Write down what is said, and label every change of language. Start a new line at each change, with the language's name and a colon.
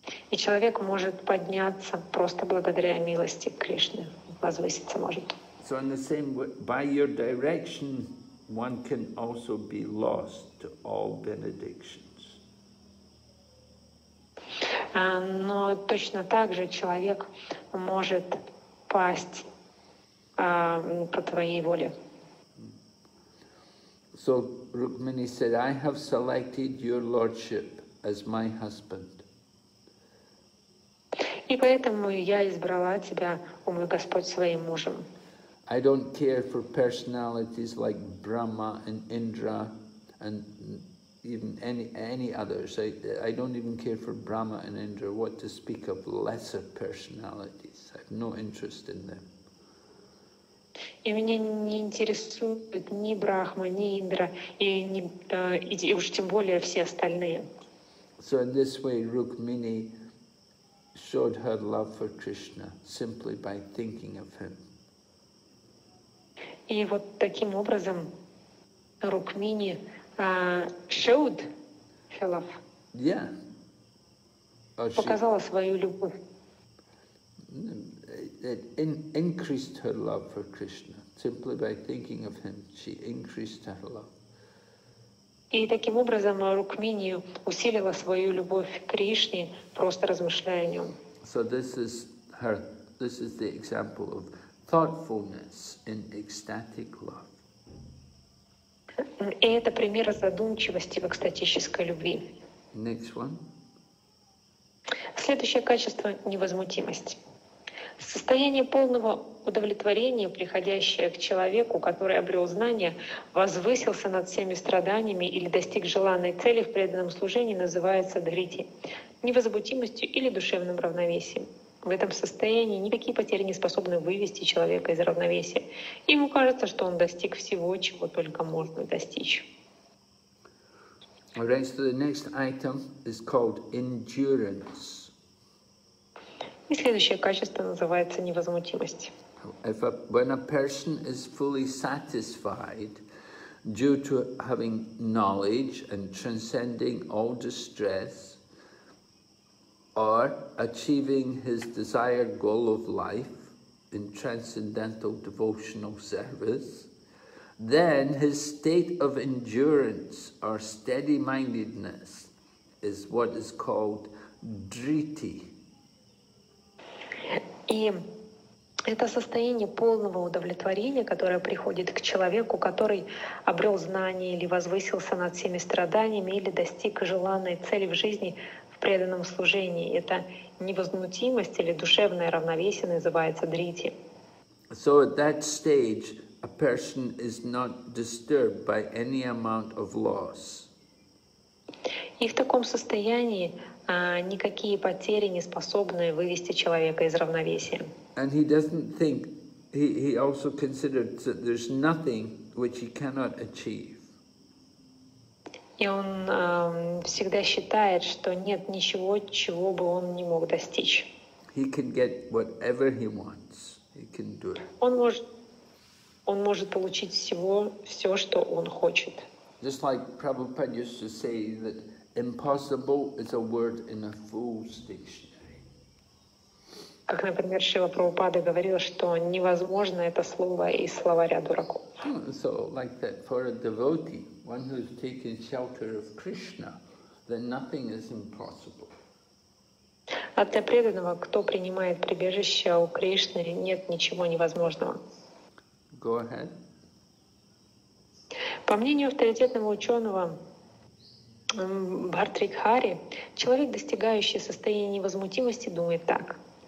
Russian: И человек может подняться просто благодаря милости Кришны, возвыситься может.
English: So in the same way, by your direction, one can also be lost to all benediction.
Russian: Но точно так же человек может пасть по твоей воле.
English: So Rukmini said, I have selected your lordship as my husband.
Russian: И поэтому я избрала тебя, о мой Господь, своим мужем.
English: I don't care for personalities like Brahma and Indra and even any others. I don't even care for Brahma and Indra, what to speak of lesser personalities. I have no interest in them.
Russian: И меня не интересуют ни Брахма, ни Индра, и уж тем более все остальные.
English: So in this way Rukmini showed her love for Krishna simply by thinking of him.
Russian: И вот таким образом Рукмини
English: showed her love. Yeah.
Russian: Oh, показала свою любовь.
English: It increased her love for Krishna. Simply by thinking of him, she increased her love.
Russian: И таким образом Рукмини усилила свою любовь к Кришне, просто размышляя о нем.
English: So this is the example of thoughtfulness in ecstatic love.
Russian: И это пример задумчивости в экстатической любви.
English: Next one.
Russian: Следующее качество — невозмутимость. Состояние полного удовлетворения, приходящее к человеку, который обрел знание, возвысился над всеми страданиями или достиг желанной цели в преданном служении, называется дхрити, невозмутимостью или душевным равновесием. В этом состоянии никакие потери не способны вывести человека из равновесия. Ему кажется, что он достиг всего, чего только можно достичь.
English: Right, so the next item is called endurance.
Russian: И следующее качество называется невозмутимость.
English: When a person is fully satisfied, due to having knowledge and transcending all distress, or achieving his desired goal of life in transcendental devotional service, then his state of endurance or steady-mindedness is what is called dhriti.
Russian: Это состояние полного удовлетворения, которое приходит к человеку, который обрел знание или возвысился над всеми страданиями, или достиг желанной цели в жизни в преданном служении. Это невозмутимость или душевное равновесие называется дрити.
English: So at that stage a person is not disturbed by any amount of loss.
Russian: И в таком состоянии никакие потери не способны вывести человека из равновесия.
English: And he doesn't think, he also considered that there's nothing which he cannot achieve.
Russian: И он всегда считает, что нет ничего, чего бы он не мог достичь.
English: He can get whatever he wants. He can do it.
Russian: Он может получить все, что он хочет.
English: Just like Prabhupada used to say that impossible is a word in a fool's dictionary.
Russian: Как, например, Шрила Прабхупада говорил, что невозможно это слово из словаря дураков.
English: So, like that, for a devotee, one who's taken shelter of Krishna, then nothing is impossible.
Russian: А для преданного, кто принимает прибежище у Кришны, нет ничего невозможного.
English: Go ahead.
Russian: По мнению авторитетного ученого Бхартрихари, человек, достигающий состояния невозмутимости, думает так.